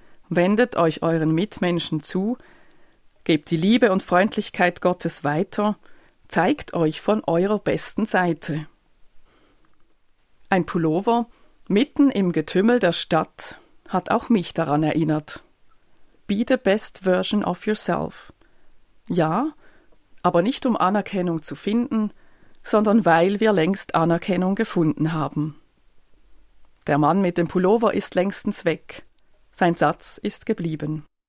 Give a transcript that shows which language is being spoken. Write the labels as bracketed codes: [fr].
[de] Wendet euch euren Mitmenschen zu, gebt die Liebe und Freundlichkeit Gottes weiter, zeigt euch von eurer besten Seite. Ein Pullover mitten im Getümmel der Stadt hat auch mich daran erinnert. [en] Be the best version of yourself. [de] Ja, aber nicht um Anerkennung zu finden, sondern weil wir längst Anerkennung gefunden haben. Der Mann mit dem Pullover ist längstens weg. Sein Satz ist geblieben.